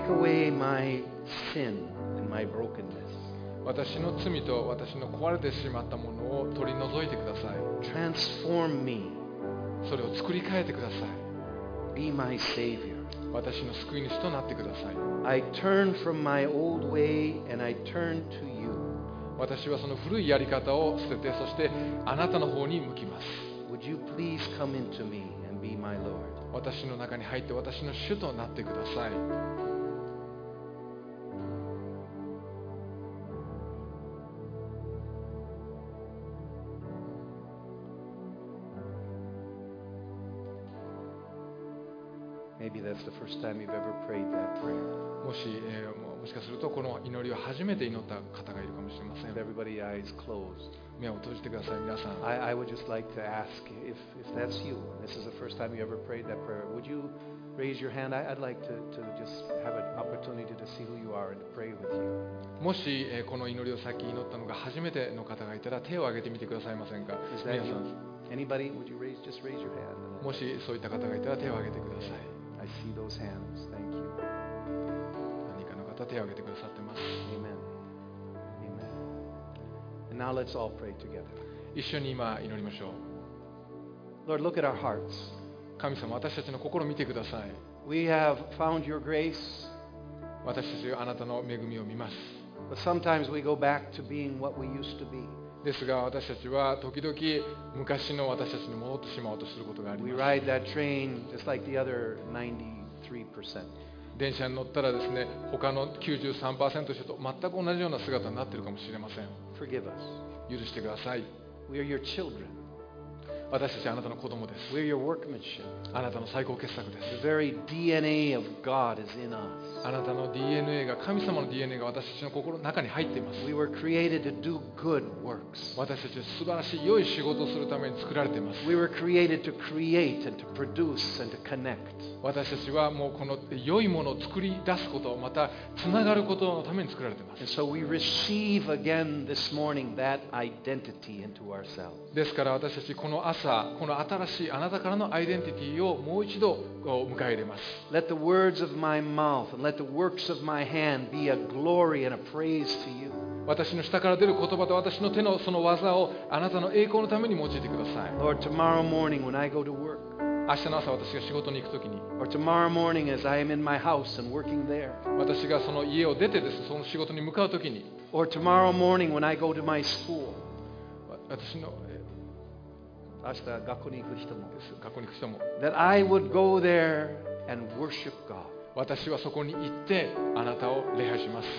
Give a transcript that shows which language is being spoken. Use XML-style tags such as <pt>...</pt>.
<en>Take away my sin and my brokenness.</en> <ja>私の罪と私の壊れてしまったものを取り除いてください。</ja> <en>Transform me.</en> <ja>それを作り変えてください。</ja> <en>Be my savior.</en> <ja>私の救い主となってください。</ja> <en>I turn from my old way and I turn to you.</en> <ja>私はその古いやり方を捨てて、そしてあなたの方に向きます。</ja> <en>Would you please come into me and be my Lord?</en> <ja>私の中に入って私の主となってください。</ja> <en>Maybe that's the first time you've ever prayed that prayer.</en> <ja>もしかするとこの祈りを初めて祈った方がいるかもしれません。</ja> <en>Everybody, eyes closed.</en> <ja>目を閉じてください、皆さん。</ja> <en>I would just like to ask if that's you. This is the first time you ever prayed that prayer. Would you raise your hand? I'd like to just have an opportunity to see who you are and pray with you.</en> <ja>もし、この祈りをさっき祈ったのが初めての方がいたら手を挙げてみてくださいませんか、皆さん。</ja> <en>Anybody, would you raise, just raise your hand?</en> <ja>もしそういった方がいたら手を挙げてください。</ja> <en>I see those hands. Thank you.</en> <ja>何かの方手を挙げてくださってます。</ja> <en>Amen. Amen. And now let's all pray together.</en> <ja>一緒に今祈りましょう。</ja> <en>Lord, look at our hearts.</en> <ja>神様、私たちの心を見てください。</ja> <en>We have found your grace.</en> <ja>私たちはあなたの恵みを見ます。</ja> <en>But sometimes we go back to being what we used to be.</en> <ja>ですが私たちは時々昔の私たちに戻ってしまおうとすることがあります。</ja> <en>We ride that train just like the other 93%.</en> <ja>電車に乗ったらですね、他の 93% の人と全く同じような姿になっているかもしれません。</ja> <en>Forgive us.</en> <ja>許してください。</ja> <en>We are your children.</en> <ja>私たちはあなたの子供です。</ja> <en>We are your workmanship.</en> <ja>あなたの最高傑作です。</ja> <en>The very DNA of God is in us.</en> <ja>あなたの DNA が、神様の DNA が私たちの心の中に入っています。</ja> <en>We were created to do good works.</en> <ja>私たちは素晴らしい良い仕事をするために作られています。</ja> <en>We were created to create and to produce and to connect.</en> <ja>私たちはもうこの良いものを作り出すこと、またつながることのために作られています。</ja> <en>And so we receive again this morning that identity into ourselves.</en> <ja>ですから私たちこの朝、この新しいあなたからのアイデンティティをもう一度迎え入れます。</ja> <en>Let the words of my mouth and let the works of my hand be a glory and a praise to you.</en> <ja>私の舌から出る言葉と私の手のその技をあなたの栄光のために用いてください。</ja> <en>Lord, tomorrow morning when I go to work,</en> <ja>明日の朝私が仕事に行くときに、</ja> <en>or tomorrow morning as I am in my house and working there,</en> <ja>私がその家を出てですその仕事に向かうときに、</ja> <en>or tomorrow morning when I go to my school,</en> <ja>私の明日学校に行く人もです。学校に行く人も。</ja> <en>That I would go there and worship God.</en> <ja>私はそこに行ってあなたを礼拝します。</ja>